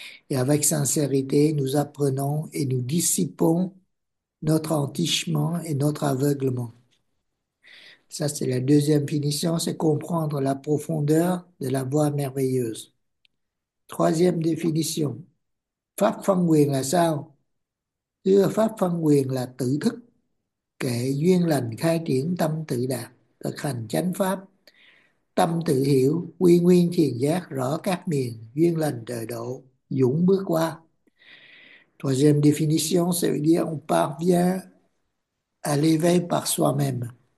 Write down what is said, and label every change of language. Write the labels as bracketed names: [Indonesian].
[French] Et avec sincérité, nous apprenons et nous dissipons notre entichement et notre aveuglement. Ça, c'est la deuxième finition, c'est comprendre la profondeur de la voie merveilleuse. Troisième définition. [Vietnamese] Pháp phân quyền là sao? Thưa, pháp phân quyền là tự thức, kệ duyên lành khai triển tâm tự đạt, thực hành chánh pháp, tâm tự hiểu, quy nguyên thiền giác, rõ các miền, duyên lành trời độ, dũng bước qua. [French] Troisième définition, ça veut dire on parvient à l'éveil par soi-même.